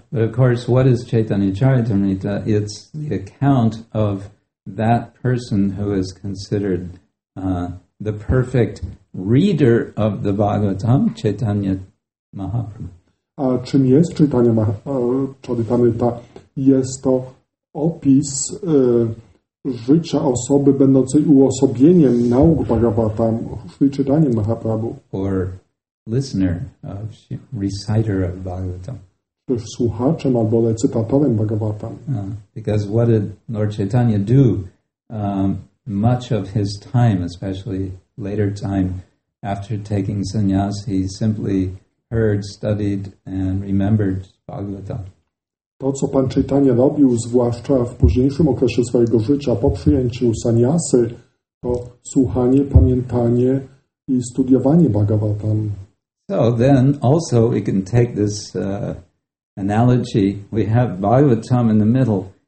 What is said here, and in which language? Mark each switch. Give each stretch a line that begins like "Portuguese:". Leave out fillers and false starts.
English: But of course, what is Chaitanya Charitamrita? It's the account of that person who is considered the perfect reader of the Bhagavatam, Chaitanya Mahaprabhu.
Polish: A czym jest Chaitanya Charitamrita? Jest to opis życia osoby będącej uosobieniem nauk Bhagavatam, Śrī Chaitanya Mahaprabhu.
English: Or listener, of, reciter of Bhagavatam.
Polish: Też słuchaczem albo recytatorem Bhagavatam.
English: Because what did Lord Chaitanya do much of his time, especially later time, after taking sannyas, he simply heard, studied and remembered Bhagavatam.
Polish: To, co pan Chaitanya robił, zwłaszcza w późniejszym okresie swojego życia, po przyjęciu sannyasy, to słuchanie, pamiętanie i studiowanie Bhagavatam.
English: So then also we can take this analogy. We have Bhagavatam in the middle.